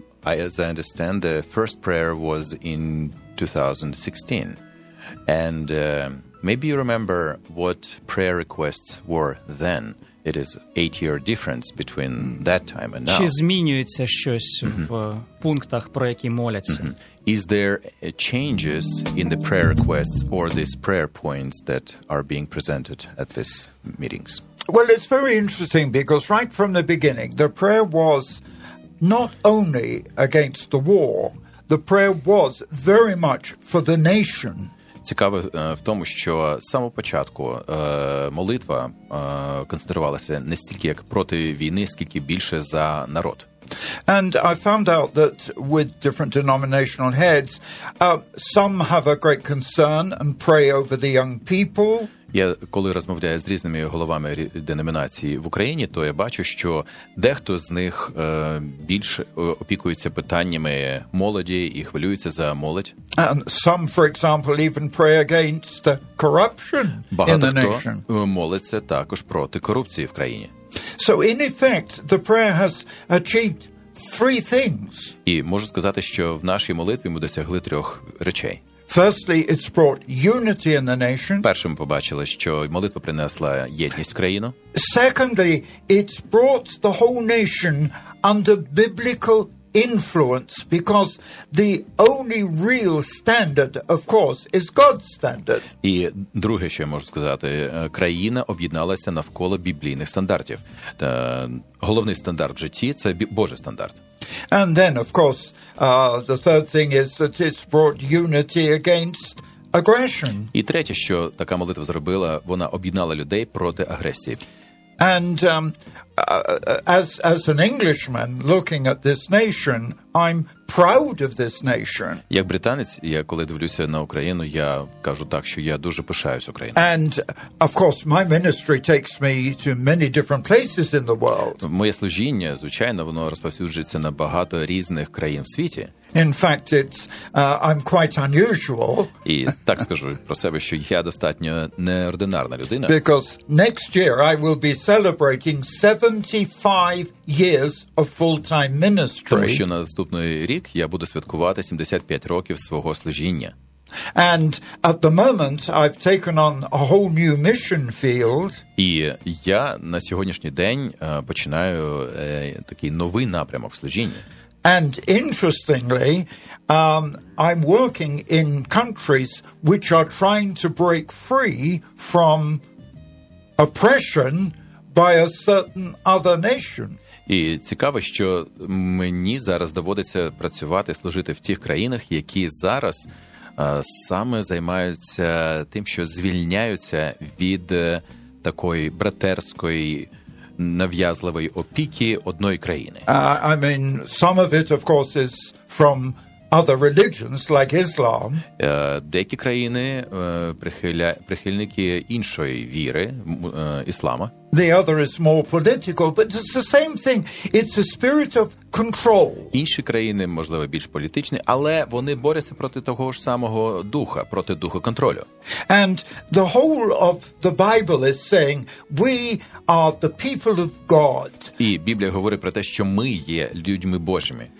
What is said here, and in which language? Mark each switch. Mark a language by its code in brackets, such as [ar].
[en] As I understand, the first prayer was in 2016. And maybe you remember what prayer requests were then. It is 8-year difference between that time and now. [uk] Чи змінюється щось в пунктах, про які моляться? [en] Is there changes in the prayer requests or these prayer points that are being presented at these meetings? Well, it's very interesting because right from the beginning, the prayer was not only against the war, the prayer was very much for the nation. [uk] Цікаво в тому, що з самого початку молитва концентрувалася не стільки як проти війни, скільки більше за народ. [en] And I found out that with different denominational heads, some have a great concern and pray over the young people. [uk] Я коли розмовляю з різними головами деномінації в Україні, то я бачу, що дехто з них більше опікується питаннями молоді і хвилюється за молодь. [en] And some, for example, even pray against corruption [uk] Багато [en] in the nation. [uk] Багато хто молиться також проти корупції в країні. [en] So, in effect, the prayer has achieved three things. [uk] І можу сказати, що в нашій молитві ми досягли трьох речей. [en] Firstly, it's brought unity in the nation. [uk] Першим побачили, що молитва принесла єдність в країну. [en] Secondly, it's brought the whole nation under biblical influence, because the only real standard, of course, is God's standard. [uk] І друге, що я можу сказати, країна об'єдналася навколо біблійних стандартів. Та головний стандарт в житті – це Божий стандарт. [en] And then, of course, the third thing is that it's brought unity against aggression. [uk] І третє, що така молитва зробила, вона об'єднала людей проти агресії. [en] And as an Englishman looking at this nation, I'm proud of this nation. [uk] Як британець, я коли дивлюся на Україну, я кажу так, що я дуже пишаюсь Україною. [en] And of course, my ministry takes me to many different places in the world. [uk] Моє служіння, звичайно, воно розповсюджується на багато різних країн в світі. [en] In fact, it's I'm quite unusual. [uk] І так скажу про себе, що я достатньо неординарна людина. [en] Because next year I will be celebrating 75 years of full-time ministry. [uk] Тому що наступний рік я буду святкувати 75 років свого служіння. [en] And at the moment I've taken on a whole new mission field. [uk] І я на сьогоднішній день починаю такий новий напрямок в служінні. [en] And interestingly, I'm working in countries which are trying to break free from oppression by a certain other nation. [uk] І цікаво, що мені зараз доводиться працювати, служити в тих країнах, які зараз саме займаються тим, що звільняються від такої братерської нав'язливої опіки одної країни. [en] I mean, some of it, of course, is from other religions, like Islam. [uk] Деякі країни прихильники іншої віри, іслама. [en] The other is more political, but it's the same thing. It's a spirit of control. [uk] Інші країни, можливо, більш політичні, але вони борються проти того ж самого духа, проти духу контролю. [en] And the whole of the Bible is saying we are the people of God. [uk] І Біблія говорить про те, що ми є людьми Божими.